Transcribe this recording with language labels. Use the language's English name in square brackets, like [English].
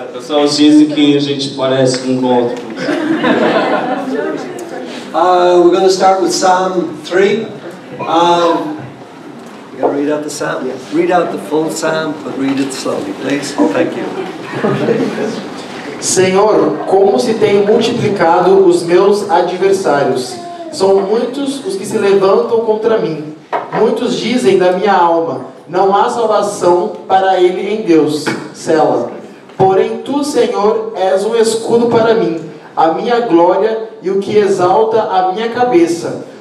[Portuguese] Pessoas dizem que a gente parece um com outro. [English] We're going to start with Psalm 3. You got to read out the Psalm? Yeah. Read out the full Psalm, but read it slowly, please. Thank you. [Portuguese] Senhor, como se têm multiplicado os meus adversários. São muitos os que se levantam contra mim. Muitos dizem da minha alma, não há salvação para ele em Deus. Sela. Porém, tu, Senhor, és um escudo para mim, a minha glória e o que exalta a minha cabeça.